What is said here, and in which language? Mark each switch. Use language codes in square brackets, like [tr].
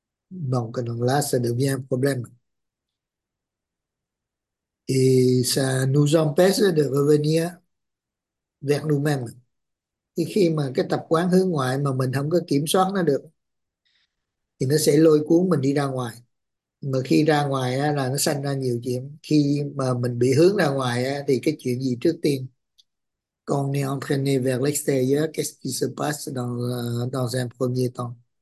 [fr] Donc là, ça devient un problème. Et ça nous empêche de revenir vers nous-mêmes. Et [vi] khi mà cái tập quán hướng ngoại mà mình không có kiểm soát nó được, thì nó sẽ lôi cuốn mình đi ra ngoài. Mà khi ra ngoài á, là nó sanh ra nhiều chuyện. Khi mà mình bị hướng ra ngoài á, thì cái chuyện gì trước tiên? [fr] Con est entraîné vers l'extérieur, qu'est-ce qui se passe dans un premier temps?